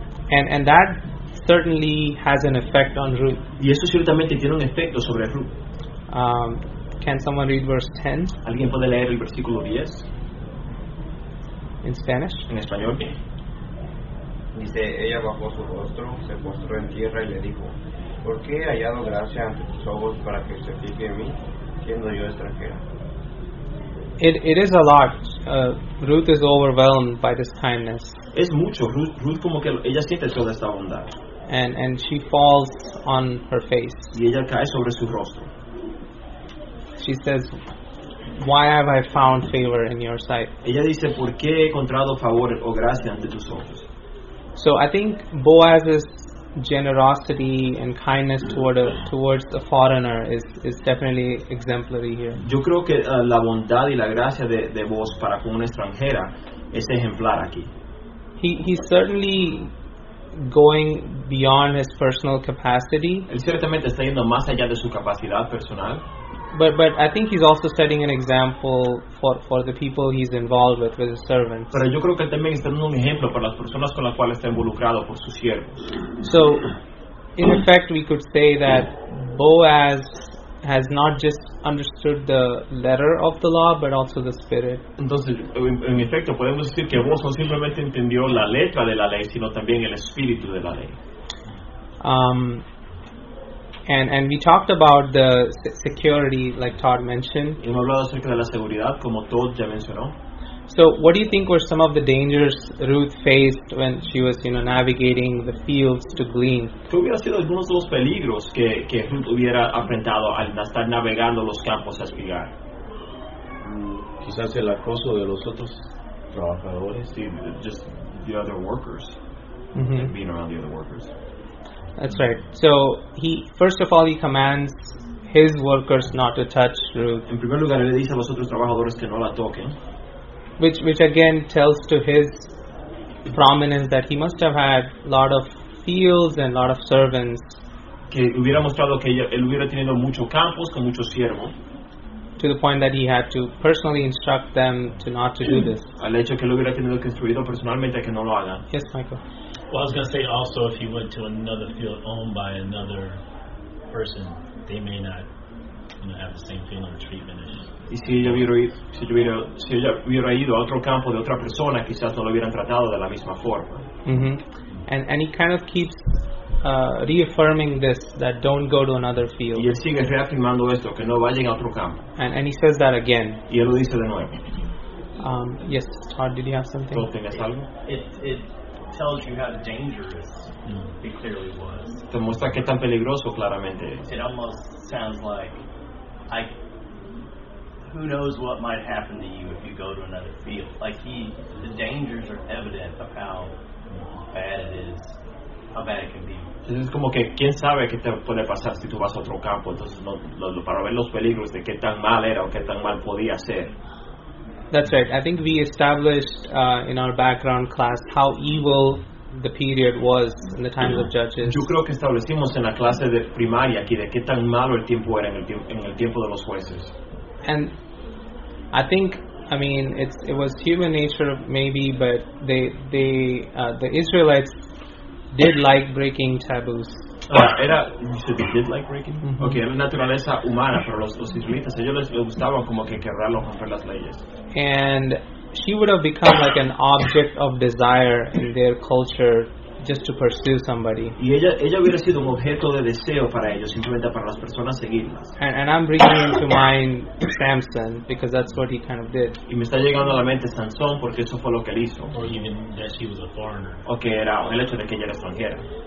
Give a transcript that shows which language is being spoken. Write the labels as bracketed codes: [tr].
[en] And that certainly has an effect on Ruth. [es] Y eso ciertamente tiene un efecto sobre Ruth. [en] Can someone read verse 10? [es] ¿Alguien puede leer el versículo 10? [en] In Spanish? [es] En español. Dice, ella bajó su rostro, se postró en tierra y le dijo, ¿por qué he hallado gracia ante tus ojos para que se fije en mí, siendo yo extranjera? [en] It is a lot. Ruth is overwhelmed by this kindness. [es] Es mucho. Ruth como que ella siente toda esta bondad. [en] And she falls on her face. [es] Y ella cae sobre su rostro. [en] She says, "Why have I found favor in your sight?" [es] Ella dice, "¿Por qué he encontrado favor o gracia ante tus ojos?" [en] So I think Boaz's generosity and kindness towards the foreigner is definitely exemplary here. [es] Yo creo que la bondad y la gracia de vos para con una extranjera es ejemplar aquí. [en] He's certainly going beyond his personal capacity. [es] Él ciertamente está yendo más allá de su capacidad personal. [en] But I think he's also setting an example for the people he's involved with his servants. [es] Pero yo creo que él también está dando un ejemplo para las personas con las cuales está involucrado, por sus siervos. [en] So, in effect, we could say that Boaz has not just understood the letter of the law, but also the spirit. [es] Entonces, en efecto, podemos decir que Boaz no simplemente entendió la letra de la ley, sino también el espíritu de la ley. [en] And we talked about the security, like Todd mentioned. [es] Hemos hablado acerca de la seguridad, como Todd ya mencionó. [en] So, what do you think were some of the dangers Ruth faced when she was, you know, navigating the fields to glean? [es] ¿Qué hubiera sido algunos de los peligros que Ruth hubiera enfrentado al estar navegando los campos a espigar? Quizás el acoso de los otros trabajadores, [en] sí, just the other workers, mm-hmm. being around the other workers. That's right. So he first of all he commands his workers not to touch Ruth. [es] En primer lugar, él le dice a los otros trabajadores que no la toquen. [en] Which again tells to his prominence that he must have had a lot of fields and a lot of servants. [es] Que hubiera mostrado que él hubiera tenido muchos campos con muchos siervos. [en] To the point that he had to personally instruct them to not to do this. [es] Al hecho que él hubiera tenido que instruirlo personalmente a que no lo hagan. Yes, Michael. Well, I was going to say also if you went to another field owned by another person, they may not, you know, have the same feeling or treatment as you. Y si ella hubiera ido a otro campo de otra persona, quizás no lo hubieran tratado de la misma forma. Mm-hmm. [en] And he kind of keeps reaffirming this, that don't go to another field. [es] Y él sigue reafirmando esto, que no vayan a otro campo. [en] And he says that again. [es] Y él lo dice de nuevo. [en] Yes, Todd, did you have something? [es] ¿Tú tengas algo? [en] Tells you how dangerous it clearly was. [es] Te muestra qué tan peligroso claramente es. [en] It almost sounds like, who knows what might happen to you if you go to another field. Like the dangers are evident of how bad it is, how bad it can be. [es] Entonces es como que, ¿quién sabe qué te puede pasar si tú vas a otro campo? Entonces, para ver los peligros de qué tan mal era o qué tan mal podía ser. [en] That's right. I think we established in our background class how evil the period was in the times of Judges. [es] Yo creo que establecimos en la clase de primaria aquí de qué tan malo el tiempo era en el tiempo de los jueces. [en] And I think, I mean, it was human nature maybe, but the Israelites did like breaking taboos. Mm-hmm. [es] Okay, era naturaleza humana, pero los israelitas, ellos les gustaba como que quebrarlo, romper las leyes. [en] And she would have become like an object of desire in their culture just to pursue somebody. [es] Y ella hubiera sido un objeto de deseo para ellos, simplemente para las personas seguirlas. [en] And I'm bringing to mind Samson, because that's what he kind of did. [es] Y me está llegando a la mente Sansón, porque eso fue lo que él hizo. [en] Or even that she was a foreigner. [es] O que era el hecho de que ella era extranjera.